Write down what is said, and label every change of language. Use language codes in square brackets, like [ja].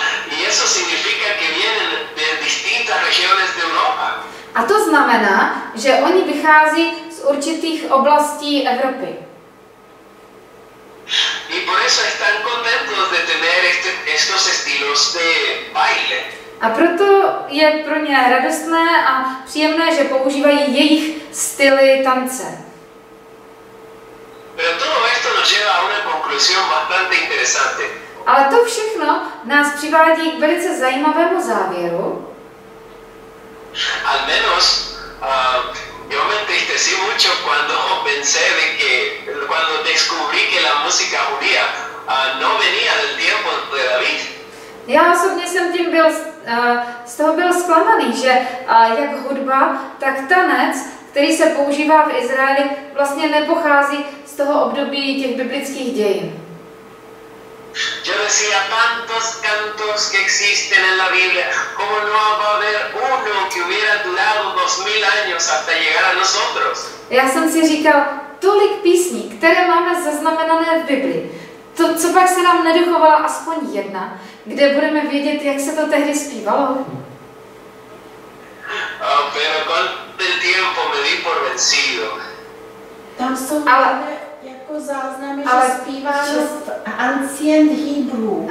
[es] Y eso significa que vienen de distintas regiones de Europa. [cs] A to znamená, že oni vychází z určitých oblastí Evropy. [es] Y por eso están contentos de tener estos estilos de baile. [cs] A proto je pro ně radostné a příjemné, že používají jejich styly tance. [es] Pero todo esto nos lleva a una conclusión bastante interesante. [cs] Ale to všechno nás přivádí k velice zajímavému závěru. [es] Al menos yo me entristecí mucho cuando pensé de que cuando descubrí que la música judía no venía del tiempo de David. [cs] Já osobně jsem tím byl z toho byl zklamaný, že jak hudba, tak tanec, který se používá v Izraeli, vlastně nepochází z toho období těch biblických dějin. [es] Yo decía tantos cantos que existen en la Biblia, cómo no va a haber uno que hubiera durado 2000 años hasta llegar a nosotros. [cs] Já jsem si říkal, tolik písní, které máme zaznamenané v Bibli, to co pak se nám nedochovala aspoň jedna, kde budeme vědět, jak se to tehdy zpívalo. [es] Pero con el tiempo me di por vencido. [cs] Tam jsou jako záznamy, ale, že zpíváno že v [en] ancient Hebrew.